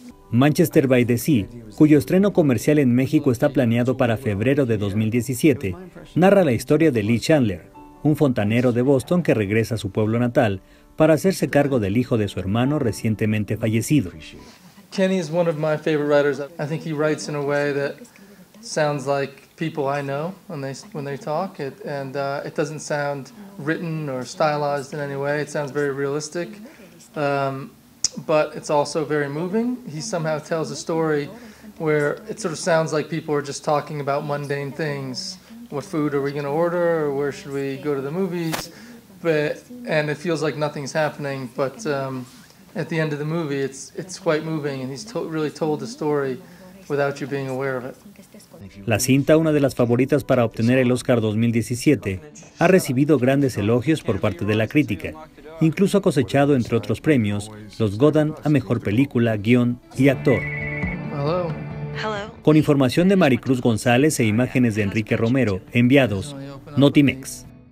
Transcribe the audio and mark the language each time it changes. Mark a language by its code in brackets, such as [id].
[es] Manchester by the Sea, cuyo estreno comercial en México está planeado para febrero de 2017, narra la historia de Lee Chandler, un fontanero de Boston que regresa a su pueblo natal para hacerse cargo del hijo de su hermano recientemente fallecido. [en] Kenny is one of my favorite writers. I think he writes in a way that sounds like people I know when they talk. It doesn't sound written or stylized in any way. It sounds very realistic. But it's also very moving. He somehow tells a story where it sort of sounds like people are just talking about mundane things. What food are we going to order? Or where should we go to the movies? And it feels like nothing's happening. But at the end of the movie, it's quite moving. And he's really told the story without you being aware of it. [es] La cinta, una de las favoritas para obtener el Oscar 2017, ha recibido grandes elogios por parte de la crítica. Incluso ha cosechado, entre otros premios, los Godan a Mejor Película, Guión y Actor. [en] Hello. [es] Con información de Maricruz González e imágenes de Enrique Romero, enviados, Notimex.